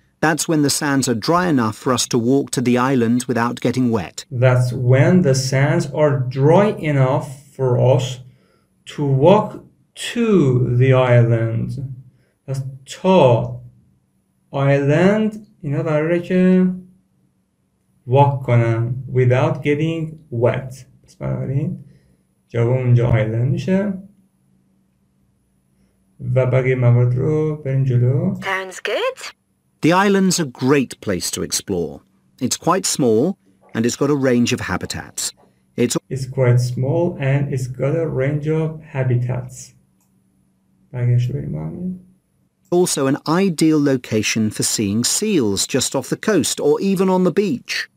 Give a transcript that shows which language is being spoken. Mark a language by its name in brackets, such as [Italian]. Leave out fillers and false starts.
[English] That's when the sands are dry enough for us to walk to the island without getting wet. That's when the sands are dry enough for us to walk to the island. [Persian] پس تا آیلند اینا قراره که واک کنن [English] without getting wet. [Persian] پس بنابراین جواب اونجا آیلند میشه و بقیه موارد رو بریم جلو. [English] Sounds good. The island's a great place to explore. It's quite small and it's got a range of habitats. It's quite small and it's got a range of habitats. [Persian] بقیه شو بریم معنی. [English] Also an ideal location for seeing seals just off the coast or even on the beach.